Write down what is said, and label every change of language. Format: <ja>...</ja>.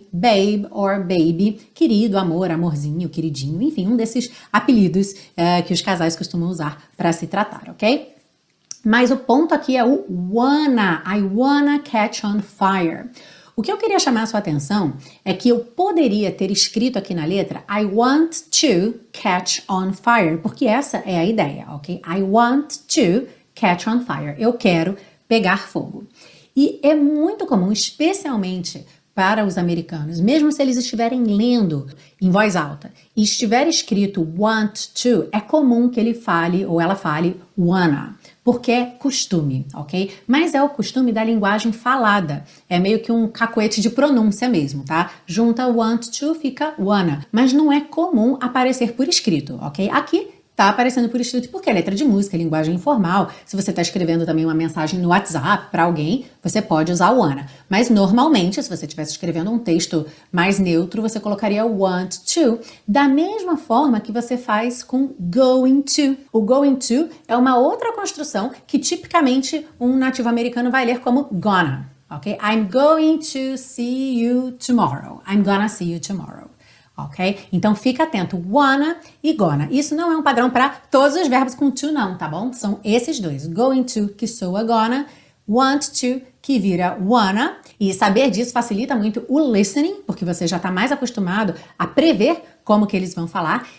<pt>Babe or baby, querido, amor, amorzinho, queridinho, enfim, um desses apelidos que os casais costumam usar pra se tratar, ok? Mas o ponto aqui é o wanna,</pt> <en>I wanna catch on fire.</en> <pt>O que eu queria chamar a sua atenção é que eu poderia ter escrito aqui na letra</pt> <en>I want to catch on fire,</en> <pt>porque essa é a ideia, ok?</pt> <en>I want to catch on fire,</en> <pt>eu quero pegar fogo. E é muito comum, especialmente para os americanos, mesmo se eles estiverem lendo em voz alta e estiver escrito want to, é comum que ele fale ou ela fale wanna. Porque é costume, ok? Mas é o costume da linguagem falada. É meio que um cacuete de pronúncia mesmo, tá? Junta want to, fica wanna. Mas não é comum aparecer por escrito, ok? Aqui tá aparecendo por escrito porque é letra de música, é linguagem informal. Se você tá escrevendo também uma mensagem no WhatsApp para alguém, você pode usar wanna. Mas normalmente, se você estivesse escrevendo um texto mais neutro, você colocaria want to, da mesma forma que você faz com going to. O going to é uma outra construção que tipicamente um nativo americano vai ler como gonna, ok?</pt> <en>I'm going to see you tomorrow. I'm gonna see you tomorrow.</en> <pt>Ok? Então, fica atento. Wanna e gonna. Isso não é um padrão para todos os verbos com to, não, tá bom? São esses dois. Going to, que soa gonna. Want to, que vira wanna. E saber disso facilita muito o listening, porque você já está mais acostumado a prever como que eles vão falar.</pt>